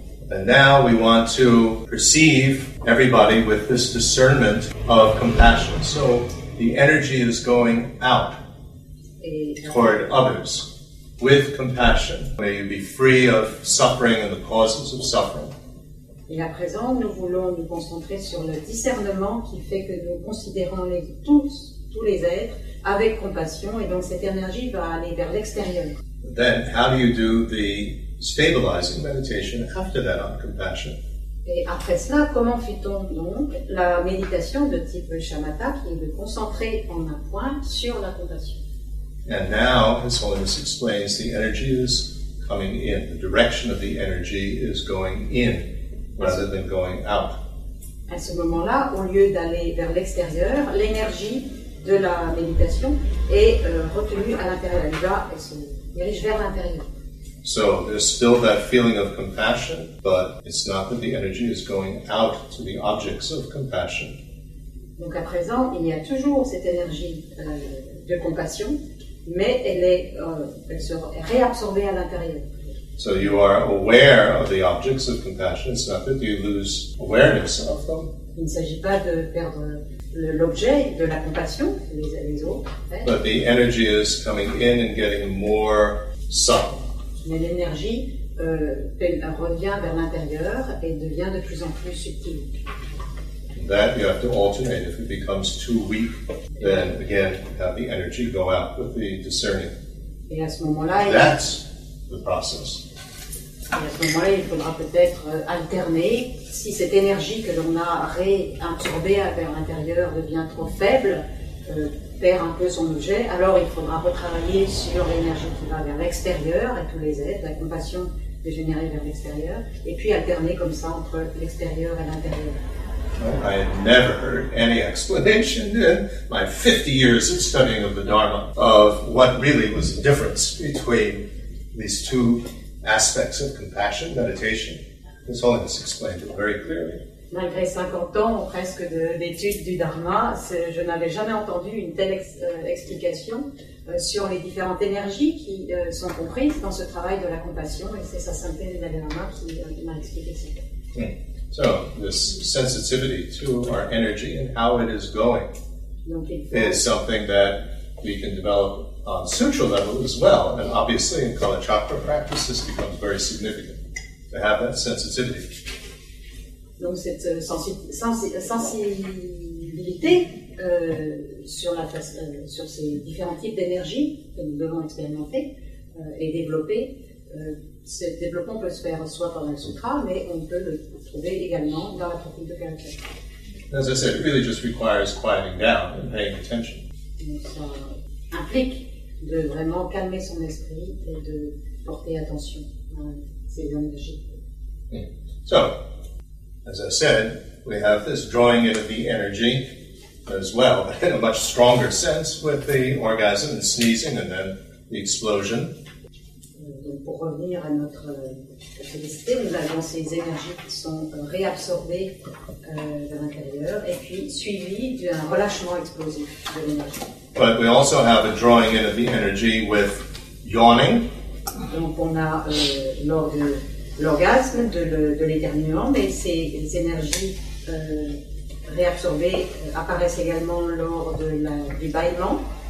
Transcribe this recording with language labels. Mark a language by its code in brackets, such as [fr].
[en] And now we want to perceive everybody with this discernment of compassion. So the energy is going out toward others with compassion. May you be free of suffering and the causes of suffering. [fr] Et à présent, nous voulons nous concentrer sur le discernement qui fait que nous considérons tous les êtres avec compassion, et donc cette énergie va aller vers l'extérieur. [en] Then, how do you do the stabilizing meditation after that on compassion? [fr] Et après cela, comment fait-on donc la méditation de type shamatha, qui est de concentrer en un point sur la compassion? [en] And now, His Holiness explains, the energy is coming in. The direction of the energy is going in rather than going out. [fr] À ce moment-là, au lieu d'aller vers l'extérieur, l'énergie de la méditation est retenue à l'intérieur. Elle se dirige vers l'intérieur. [en] So there's still that feeling of compassion, but it's not that the energy is going out to the objects of compassion. [fr] Donc à présent, il y a toujours cette énergie de compassion, mais elle se réabsorbe à l'intérieur. [en] So you are aware of the objects of compassion. It's not that you lose awareness of them. [fr] Il ne s'agit pas de perdre l'objet de la compassion, les autres. [en] But the energy is coming in and getting more subtle. [fr] Mais l'énergie revient vers l'intérieur et devient de plus en plus subtile. [en] That you have to alternate. If it becomes too weak, then again, have the energy go out with the discerning. [fr] Et à ce moment-là, [en] that's the process. [fr] Et à ce moment-là, il faudra peut-être alterner. Si cette énergie que l'on a réabsorbée vers l'intérieur devient trop faible, perd un peu son objet, alors il faudra retravailler sur l'énergie qui va vers l'extérieur, à tous les êtres, la compassion dégénérée vers l'extérieur, et puis alterner comme ça entre l'extérieur et l'intérieur. [en] I have never heard any explanation in my 50 years of studying of the Dharma of what really was the difference between these two aspects of compassion, meditation. His Holiness explained it very clearly. [fr] Malgré 50 ans presque d'études du Dharma, je n'avais jamais entendu une telle explication sur les différentes énergies qui sont comprises dans ce travail de la compassion, et c'est sa sainteté du Dalai Lama qui m'a expliqué ça. [en] So, this sensitivity to our energy and how it is going is something that we can develop on sutra level as well. And obviously in Kalachakra practice, this becomes very significant to have that sensitivity. [fr] Donc cette sensibilité sur ces différents types d'énergie que nous devons expérimenter et développer, ce développement peut se faire soit par un sutra, mais on peut le trouver également dans la pratique de quelqu'un. [en] As I said, it really just requires quieting down and paying attention. [fr] Donc ça implique de vraiment calmer son esprit et de porter attention à ces énergies. [en] So, as I said, we have this drawing in of the energy as well, in a much stronger sense with the orgasm and sneezing and then the explosion. [fr] Donc pour revenir à notre félicité, nous avons ces énergies qui sont réabsorbées de l'intérieur et puis suivies d'un relâchement explosif de l'énergie. [en] But we also have a drawing in of the energy with yawning. [fr] Donc on a lors de l'orgasme, de l'éternuement, mais ces énergies réabsorbées apparaissent également lors de du bâillement.